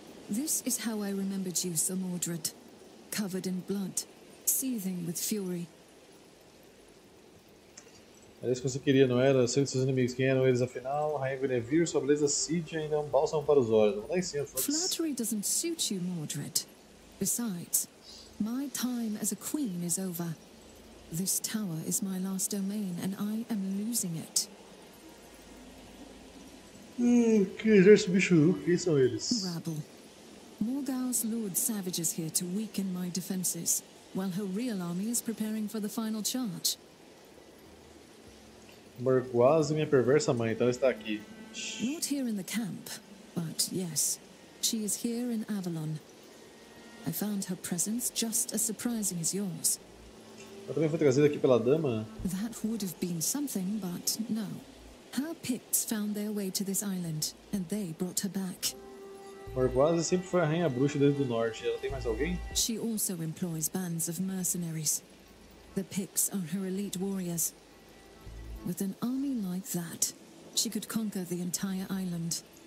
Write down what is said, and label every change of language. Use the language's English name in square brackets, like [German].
[English] This is how I remembered you, Sir Mordred. Covered in blood, seething with fury. [Portuguese] Era isso que você queria, não era? Sendo seus inimigos, quem eram eles afinal? Rainha Guinevere, sua beleza Cid ainda é um bálsamo para os olhos. Vamos lá em cima, Fox. [English] Flattery doesn't suit you, Mordred. Besides, my time as a queen is over. This tower is my last domain, and I am losing it. [Portuguese] Que exército bicho? Quem são eles? [English] Rabble. Morgause lured savages here to weaken my defenses, while her real army is preparing for the final charge. [Portuguese] Morgause, minha perversa mãe, então ela está aqui. [English] Not here in the camp, but yes, she is here in Avalon. I found her presence just as surprising as yours. [Portuguese] Ela também foi trazida aqui pela dama? [English] That would have been something, but no. Her Picts found their way to this island, and they brought her back. [Portuguese] Morgause sempre foi a rainha bruxa desde o norte. Ela tem mais alguém? [English] She also employs bands of mercenaries. The Picts are her elite warriors. With an army like that, she could conquer the entire island.